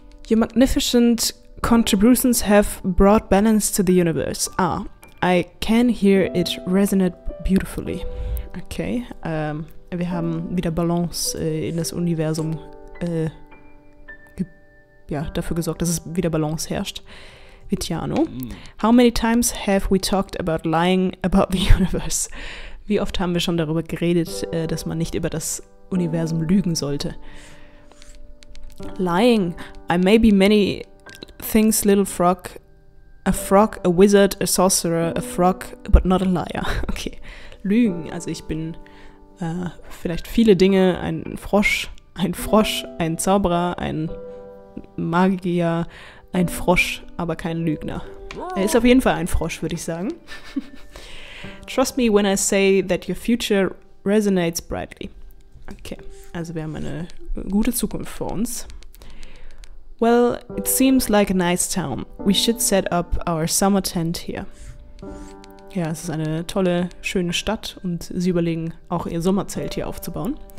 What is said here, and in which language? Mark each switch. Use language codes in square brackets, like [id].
[en] Your magnificent contributions have brought balance to the universe. Ah, I can hear it resonate beautifully. [de] Okay, wir haben wieder Balance in das Universum dafür gesorgt, dass es wieder Balance herrscht. [en] Vitiano, how many times have we talked about lying about the universe? [de] Wie oft haben wir schon darüber geredet, dass man nicht über das Universum lügen sollte? [en] Lying, I may be many things, little frog. A frog, a wizard, a sorcerer, a frog, but not a liar. [de] Okay, lügen, also ich bin vielleicht viele Dinge, ein Frosch, ein Zauberer, ein Magier, ein Frosch, aber kein Lügner. Er ist auf jeden Fall ein Frosch, würde ich sagen. [en] Trust me when I say that your future resonates brightly. [de] Okay, also wir haben eine gute Zukunft vor uns. [en] Well, it seems like a nice town. We should set up our summer tent here. [de] Ja, es ist eine tolle, schöne Stadt und sie überlegen, auch ihr Sommerzelt hier aufzubauen.